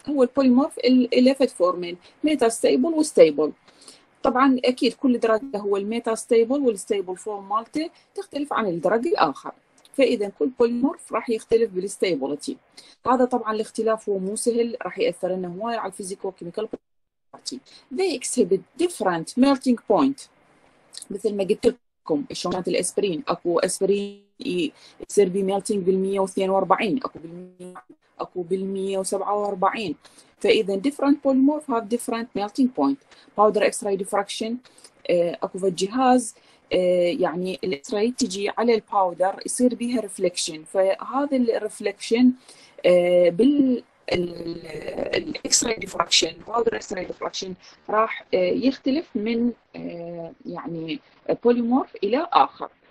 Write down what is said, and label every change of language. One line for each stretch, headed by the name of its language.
Arabic: هو البوليمورف اللي فت فورمين ميتا ستيبل وستيبل. طبعا اكيد كل دراج هو الميتا ستيبل والستيبل فورم مالته تختلف عن الدراج الاخر، فاذا كل بوليمورف راح يختلف بالستيبلتي. هذا طبعا الاختلاف هو مو سهل، راح ياثر لنا هواي على الفيزيكو كيميكال بروبرتي.
English: They exhibit different melting point.
Arabic: مثل ما قلت لكم شلون كانت الاسبرين، اكو اسبرين يصير بي ميلتنج بال 142، اكو بال 100، اكو بال 147. فاذا
English: Different polymorph have different melting point.
Arabic: باودر اكس راي ديفراكشن، اكو في الجهاز يعني الاكس راي تجي على الباودر يصير بها ريفليكشن، فهذا الريفليكشن بال الاكس راي ديفراكشن باودر اكس راي ديفراكشن راح يختلف من يعني بوليمورف الى اخر.